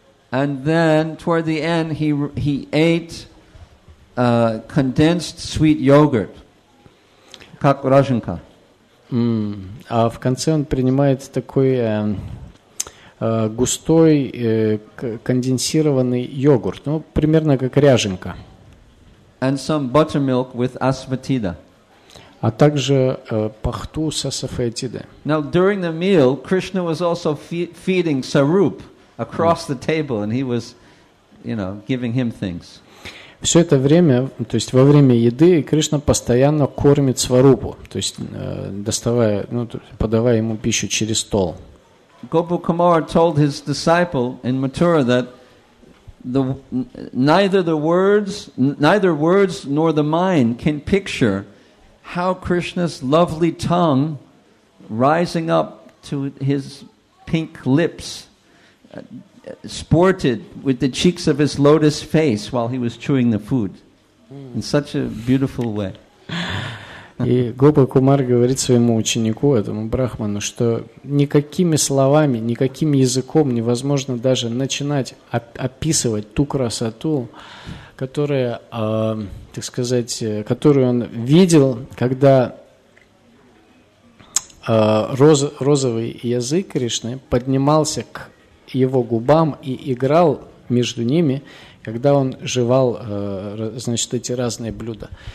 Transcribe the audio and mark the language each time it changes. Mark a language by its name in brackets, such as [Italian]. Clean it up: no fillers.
[English] And then, toward the end, he ate condensed sweet yogurt. [Russian] Как роженка. А в конце он принимает такой густой конденсированный йогурт, ну примерно как ряженка. [English] And some buttermilk with asafoetida. [Russian] А также пахту с асафоэтидой. [English] Now during the meal, Krishna was also feeding Sarup across the table, and he was, you know, giving him things. [Russian] Все это время, то есть во время еды, Кришна постоянно кормит Сварупу, то есть доставая, ну, подавая ему пищу через стол. [English] Gopa Kumara told his disciple in Mathura that neither words nor the mind can picture how Krishna's lovely tongue rising up to his pink lips sported with the cheeks of his lotus face while he was chewing the food in such a beautiful way. [Russian] И Гопа Кумар говорит своему ученику, этому брахману, что никакими словами, никаким языком невозможно даже начинать описывать ту красоту, которая, так сказать, которую он видел, когда розовый язык Кришны поднимался к его губам и играл между ними, когда он жевал, значит, эти разные блюда.